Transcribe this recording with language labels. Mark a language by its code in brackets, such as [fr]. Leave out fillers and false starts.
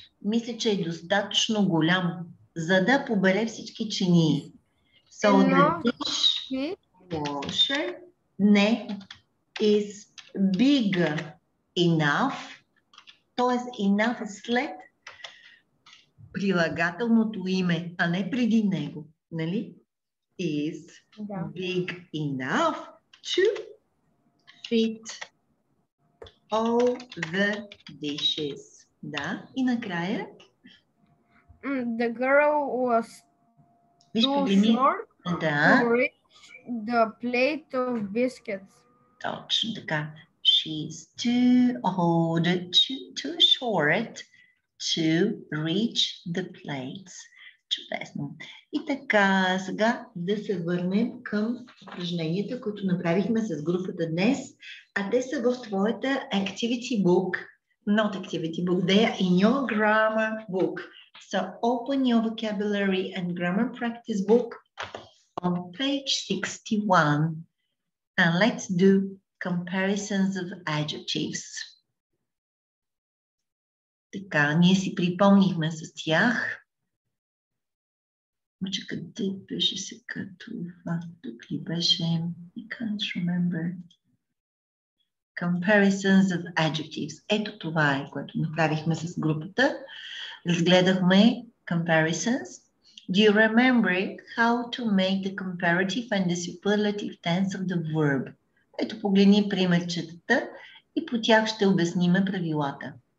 [bg] Мисля, че е достатъчно голям, за да побере всички чинии. [en] So the dishwasher [bg] не [en] is big enough, [bg] т.е. enough след прилагателното име, а не преди него. Нали? [en] Is big enough to fit all the dishes. [bg] Да, и накрая? [en] The girl was too short to reach the plate of biscuits. [bg] Точно така. [en] She's too old, too short to reach the plates. [bg] Чудесно. И така, сега да се върнем към упражненията, които направихме с групата днес, а те са в твоята [en] activity book, not activity book, they are in your grammar book. So open your vocabulary and grammar practice book on page 61 and let's do comparisons of adjectives. [bg] Така, ние си припомнихме с тях. Мача, къде беше сега това? Тук ли беше? [en] I can't remember. Comparisons of adjectives. [bg] Ето това е, което направихме с групата. Разгледахме comparisons. [en] Do you remember how to make the comparative and the superlative tense of the verb? [bg] Ето погледни примерчетата и по тях ще обясним правилата.